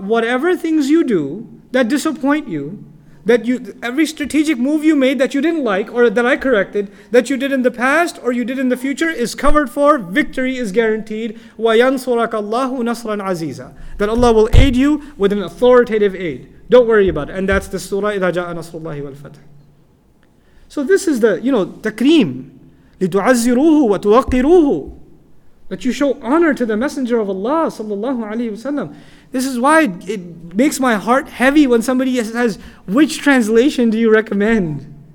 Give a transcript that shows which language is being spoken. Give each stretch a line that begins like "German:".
English: Whatever things you do that disappoint you, every strategic move you made that you didn't like, or that I corrected, that you did in the past or you did in the future, is covered for. Victory is guaranteed.
Arabic: وَيَنْصُرَكَ اللَّهُ نَصْرًا عَزِيزًا.
English: That Allah will aid you with an authoritative aid. Don't worry about it. And that's the surah,
Arabic: إِذَا جَاءَ نَصْرُ اللَّهِ وَالْفَتْحِ.
English: So this is the, you know, takreem.
Arabic: لِتُعَزِّرُوهُ وَتُوَقِّرُوهُ.
English: That you show honor to the Messenger of Allah sallallahu alayhi wasallam. This is why it makes my heart heavy when somebody says, which translation do you recommend?